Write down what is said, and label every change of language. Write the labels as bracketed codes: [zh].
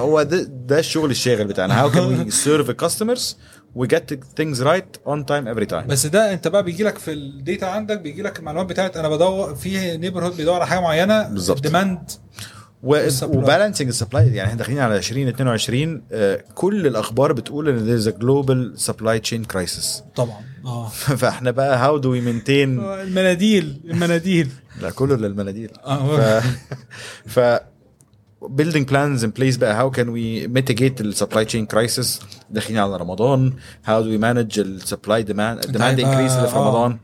[ar] هو ده الشغل الشاغل بتاعنا [en] how can we serve customers we get things right on time every time. [ar] بس ده انت بقى بيجي لك في الديتا عندك بيجي لك المعلومات بتاعت انا بدور في نيبرهود بيدور على حاجه معينه بالظبط [en] demand [ar] وبالانسنج السبلاي يعني احنا داخلين على 2022 كل الاخبار بتقول ان [en] there is a global supply chain crisis [ar] طبعا فاحنا بقى [en] how do we maintain [ar] المناديل لا كله للمناديل ف [en] building plans in place بقى how can we mitigate the supply chain crisis [ar] داخلين على رمضان [en] how do we manage the supply demand increase [ar] اللي في رمضان